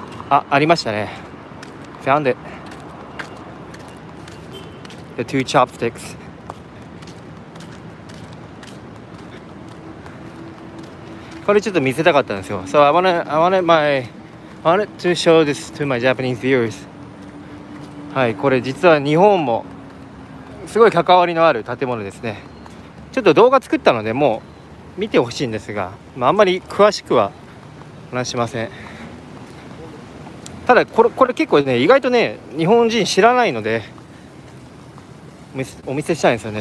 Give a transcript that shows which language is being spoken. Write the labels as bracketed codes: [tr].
[en] Ah, [ja] ありましたね. [en] Found it. The two chopsticks. [ja] これちょっと見せたかったんですよ. [en] So I wanted to show this to my Japanese viewers. [ja] はい、これ実は日本もすごい関わりのある建物ですね。ちょっと動画作ったのでもう見てほしいんですが、まあ、あんまり詳しくは話しません。ただこれ結構ね、意外とね、日本人知らないのでお見せしたいんですよね。